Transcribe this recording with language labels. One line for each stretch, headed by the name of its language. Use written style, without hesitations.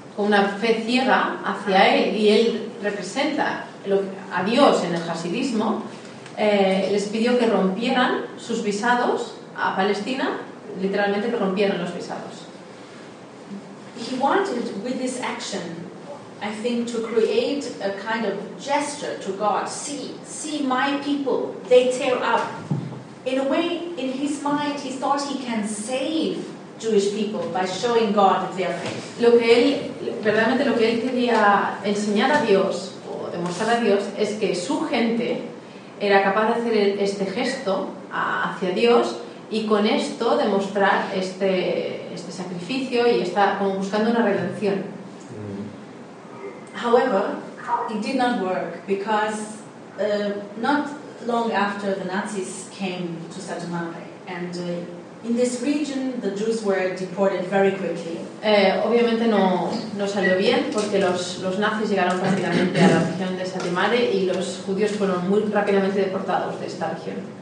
Spanish: Con una fe ciega hacia él, y él representa a Dios en el hasidismo, les pidió que rompieran sus visados a Palestina, literalmente que rompieran los visados.
English: He wanted with this action, I think, to create a kind of gesture to God. See my people, they tear up. In a way, in his mind, he thought he can save Jewish people by showing God their faith.
Spanish: Lo que él quería enseñar a Dios o demostrar a Dios es que su gente era capaz de hacer este gesto hacia Dios y con esto demostrar este sacrificio y está como buscando una redención.
English: However, it did not work because not long after the Nazis came to Satumare and in this region, the Jews were deported very quickly.
Spanish: Obviamente no salió bien porque los nazis llegaron prácticamente a la región de Satimare y los judíos fueron muy rápidamente deportados de esta región.